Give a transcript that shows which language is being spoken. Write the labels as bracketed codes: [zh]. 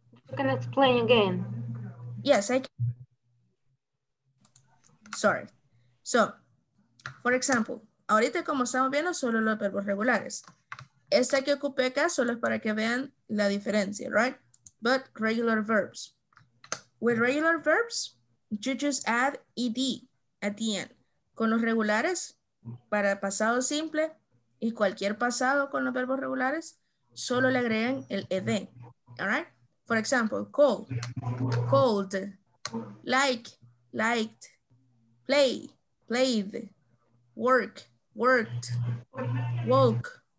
[en] You can explain again. Yes, I can. Sorry. So, for example, [es] ahorita como estamos viendo solo los verbos regulares. Esta que ocupé acá solo es para que vean la diferencia, right? [en] But regular verbs. With regular verbs, you just add ed at the end. [es] Con los regulares, para pasado simple y cualquier pasado con los verbos regulares, solo le agregan el ed, [en] all right? For example, cold, called, like, liked, play, played, work, worked, walk,